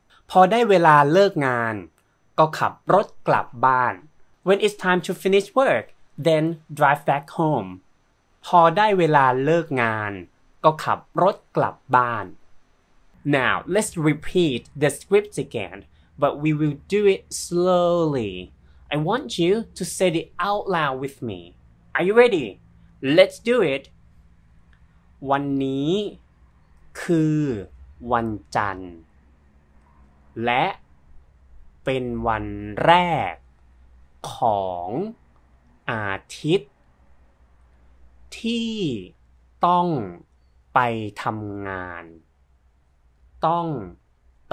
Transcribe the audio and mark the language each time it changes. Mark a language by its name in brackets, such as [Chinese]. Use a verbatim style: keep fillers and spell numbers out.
[Thai] พอได้เวลาเลิกงานก็ขับรถกลับบ้าน [English] when it's time to finish work then drive back home พอได้เวลาเลิกงานก็ขับรถกลับบ้านNow, let's repeat the script again, but we will do it slowly. I want you to say it out loud with me. Are you ready? Let's do it. [Thai] วันนี้คือวันจันทร์และเป็นวันแรกของอาทิตย์ที่ต้องไปทำงานต้องไป